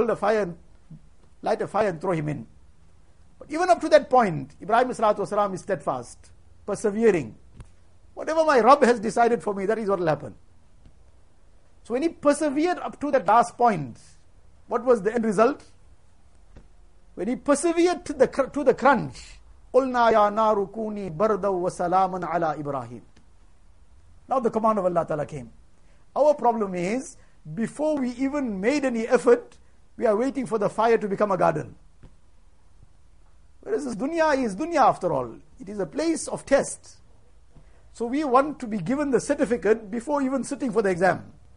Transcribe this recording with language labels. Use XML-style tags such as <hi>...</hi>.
<en>Build a fire, and light a fire and throw him in." But even up to that point, Ibrahim salatu wasalam is steadfast, persevering. Whatever my Rabb has decided for me, that is what will happen. So when he persevered up to that last point, what was the end result? When he persevered to the crunch,</en> <ar>قُلْنَا يَا نَارُ كُونِي بَرْدًا وَسَلَامًا عَلَىٰ إِبْرَاهِيمٍ.</ar> <en>Now the command of Allah Ta'ala came. Our problem is, before we even made any effort, we are waiting for the fire to become a garden. Whereas this dunya is dunya after all. It is a place of test. So we want to be given the certificate before even sitting for the exam.</en>